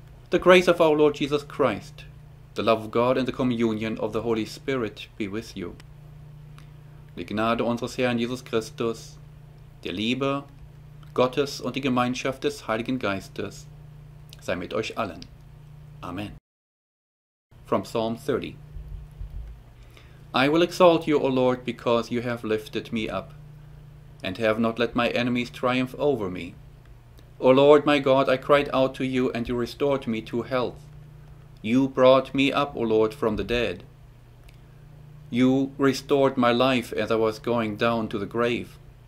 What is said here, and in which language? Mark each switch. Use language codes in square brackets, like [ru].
[en] The grace of our Lord Jesus Christ, the love of God and the communion of the Holy Spirit be with you. [de] Die Gnade unseres Herrn Jesus Christus, der Liebe Gottes und die Gemeinschaft des Heiligen Geistes sei mit euch allen. [en] Amen. From Psalm 30. I will exalt you, O Lord, because you have lifted me up, and have not let my enemies triumph over me. O Lord, my God, I cried out to you, and you restored me to health. You brought me up, O Lord, from the dead. You restored my life as I was going down to the grave.